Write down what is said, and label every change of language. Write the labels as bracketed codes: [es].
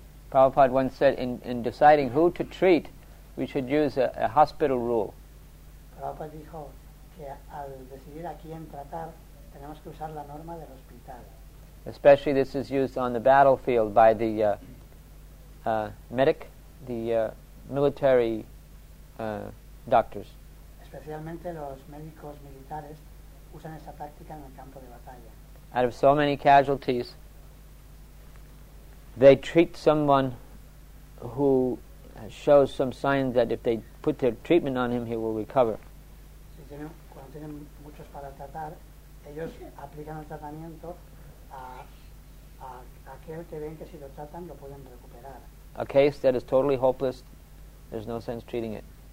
[en] Prabhupada once said, in deciding who to treat, we should use a hospital rule. [es] Prabhupada dijo que al decidir a quién tratar, tenemos que usar la norma del hospital. [en] Especially this is used on the battlefield by the medic, the military doctors. [es] Especialmente los médicos militares usan esta táctica en el campo de batalla. [en] Out of so many casualties, they treat someone who shows some signs that if they put their treatment on him, he will recover. [es] Cuando tienen muchos para tratar, ellos aplican el tratamiento a aquel que ven que si lo tratan lo pueden recuperar. [en] A case that is totally hopeless, There's no sense treating it.